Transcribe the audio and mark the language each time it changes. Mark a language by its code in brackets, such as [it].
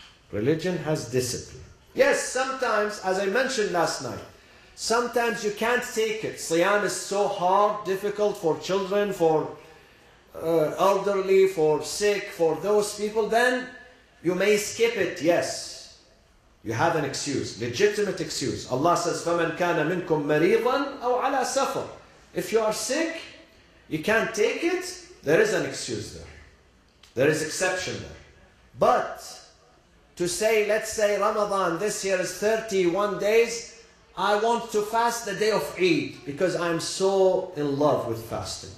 [en] Religion has discipline. Yes, sometimes, as I mentioned last night, sometimes you can't take it. Siyam is so hard, difficult for children, for elderly, for sick, for those people, then you may skip it, yes. You have an excuse, legitimate excuse. Allah says, [ar] فَمَنْ كَانَ مِنْكُمْ مَرِيضًا أَوْ عَلَىٰ سَفَرٍ. [en] If you are sick, you can't take it, there is an excuse there. There is exception there. But to say, let's say Ramadan this year is 31 days, I want to fast the day of Eid because I'm so in love with fasting.